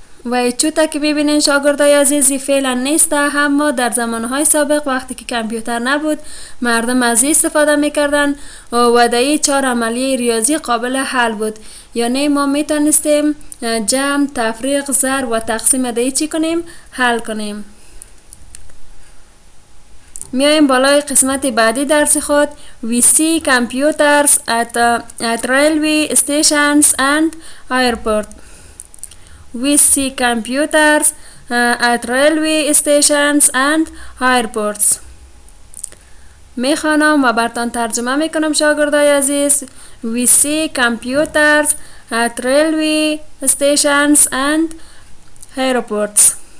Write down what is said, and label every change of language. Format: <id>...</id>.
<fa>و چوتا که ببینین شاگردای عزیزی فعلا نیسته، اما در زمانهای سابق وقتی که کامپیوتر نبود مردم از این استفاده میکردن و در این چهار عملیه ریاضی قابل حل بود. یعنی ما میتونستیم جمع، تفریق، ضرب و تقسیم در این چی کنیم؟ حل کنیم. میایم بالای قسمت بعدی درس خود.</fa> <en>We see computers at railway stations and airport. We see computers at railway stations and airports.</en> <fa>میخوانم و برتان ترجمه میکنم شاگردای عزیز.</fa> <en>We see computers at railway stations and airports.</en>